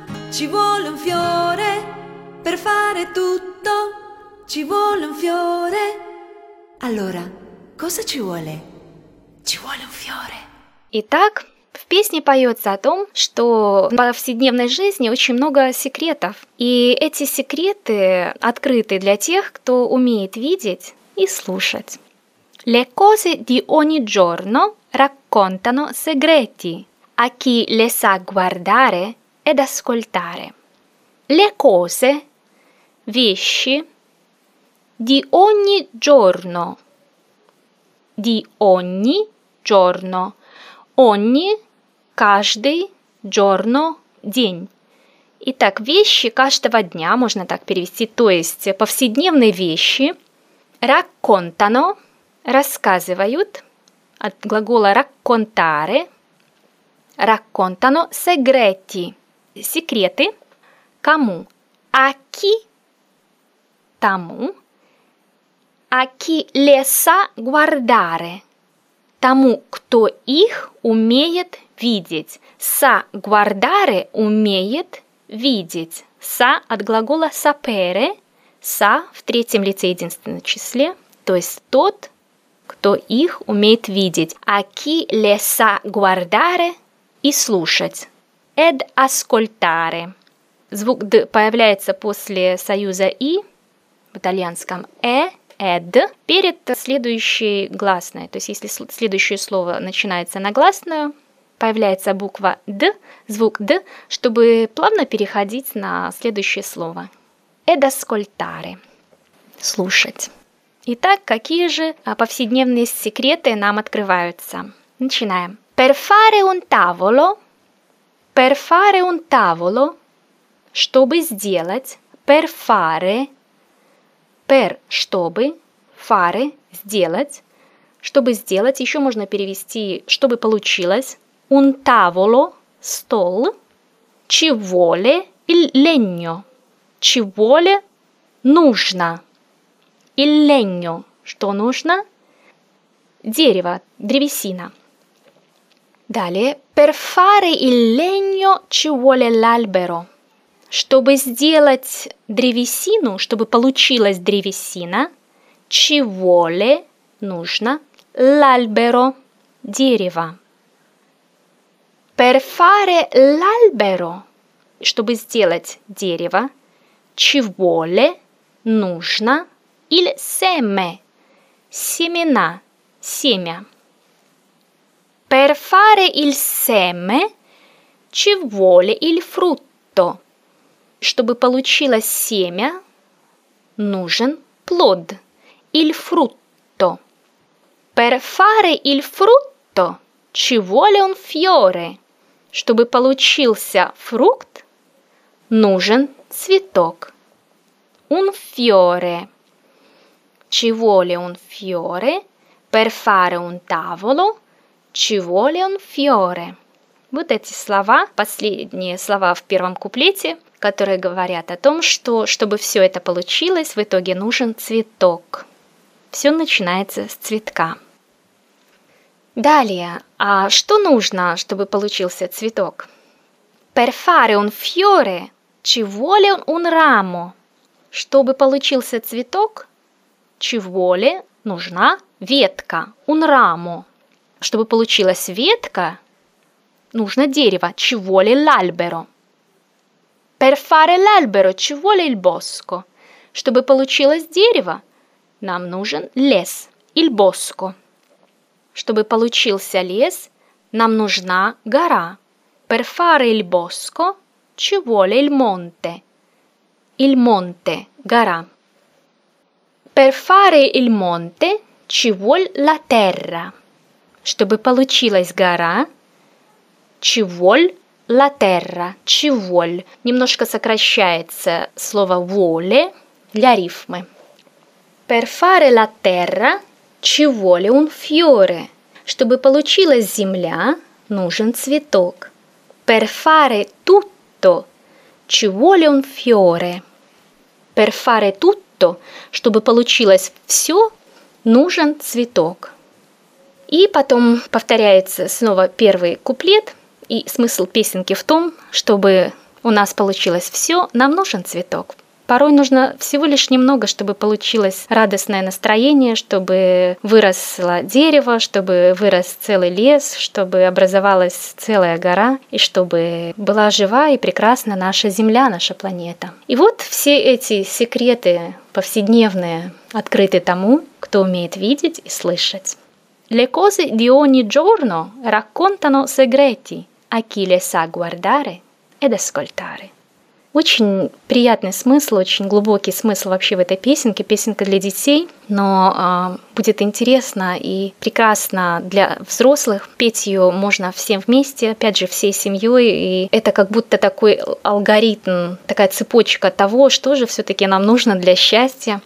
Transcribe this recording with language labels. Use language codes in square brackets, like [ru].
[it] Ci vuole un fiore, per fare tutto, ci vuole un fiore. Allora, cosa ci vuole? Ci vuole un fiore. [ru] Итак, в песне поется о том, что в повседневной жизни очень много секретов. И эти секреты открыты для тех, кто умеет видеть и слушать. [it] Le cose di ogni giorno raccontano segreti. A chi le sa guardare ed ascoltare. Le cose, [ru] вещи, [it] di ogni giorno. Di ogni giorno. Ogni, [ru] каждый, [it] giorno, [ru] день. Итак, вещи каждого дня, можно так перевести, то есть повседневные вещи, [it] raccontano, [ru] рассказывают, от глагола raccontare, [it] raccontano segreti, [ru] секреты, кому? [it] A chi? [ru] Тому. [it] A chi le sa guardare? [ru] Тому, кто их умеет видеть. [it] Sa guardare [ru] умеет видеть. [it] Sa [ru] от глагола sapere, sa в третьем лице единственном числе, то есть тот, кто их умеет видеть. [it] A chi le sa guardare [ru] и слушать. [it] Ed ascoltare. [ru] Звук «д» появляется после союза «и» в итальянском «э», «эд», перед следующей гласной. То есть, если следующее слово начинается на гласную, появляется буква «д», звук «д», чтобы плавно переходить на следующее слово. «Эд аскольтаре» — «слушать». Итак, какие же повседневные секреты нам открываются? Начинаем. [it] «Per fare un tavolo» [ru] — «per fare un tavolo» «Чтобы сделать», «per fare», «per» – «чтобы», «fare» – «сделать», «чтобы сделать», еще можно перевести «чтобы получилось», «un tavolo» – «стол», [it] «ci vuole» – «il legno», [ru] «ci vuole» – «нужно», «il legno» – «что нужно», «дерево», «древесина». Далее, [it] «per fare il legno ci vuole l'albero». [ru] Чтобы сделать древесину, чтобы получилась древесина, [it] ci vuole [ru] нужно [it] l'albero [ru] дерево. [it] Per fare l'albero, [ru] чтобы сделать дерево, [it] ci vuole [ru] нужно [it] il seme [ru] семена, семя. [it] Per fare il seme ci vuole il frutto. [ru] Чтобы получилось семя, нужен плод. [it] Il frutto. Per fare il frutto ci vuole un fiore. [ru] Чтобы получился фрукт, нужен цветок. [it] Un fiore. Ci vuole un fiore. Per fare un tavolo ci vuole un fiore. [ru] Вот эти слова, последние слова в первом куплете, которые говорят о том, что, чтобы все это получилось, в итоге нужен цветок. Все начинается с цветка. Далее, а что нужно, чтобы получился цветок? [it] Per fare un fiore ci vuole un ramo. [ru] Чтобы получился цветок, [it] ci vuole [ru] нужна ветка, [it] un ramo. [ru] Чтобы получилась ветка, нужно дерево, [it] ci vuole l'albero. Per fare l'albero ci vuole il bosco. [ru] Чтобы получилось дерево, нам нужен лес, [it] il bosco. [ru] Чтобы получился лес, нам нужна гора. [it] Per fare il bosco ci vuole il monte. Il monte, [ru] гора. [it] Per fare il monte ci vuole la terra. [ru] Чтобы получилась гора, [it] ci vuole la terra, ci vuole. [ru] Немножко сокращается слово vuole для рифмы. [it] Per fare la terra ci vuole un fiore. [ru] Чтобы получилась земля, нужен цветок. [it] Per fare tutto ci vuole un fiore. Per fare tutto, [ru] чтобы получилось все, нужен цветок. И потом повторяется снова первый куплет. И смысл песенки в том, чтобы у нас получилось все, нам нужен цветок. Порой нужно всего лишь немного, чтобы получилось радостное настроение, чтобы выросло дерево, чтобы вырос целый лес, чтобы образовалась целая гора, и чтобы была жива и прекрасна наша Земля, наша планета. И вот все эти секреты повседневные открыты тому, кто умеет видеть и слышать. [it] Le cose di ogni giorno raccontano segreti a chi le sa guardare ed ascoltare. [ru] Очень приятный смысл, очень глубокий смысл вообще в этой песенке. Песенка для детей, но будет интересно и прекрасно для взрослых. Петь ее можно всем вместе, опять же, всей семьей. И это как будто такой алгоритм, такая цепочка того, что же все-таки нам нужно для счастья.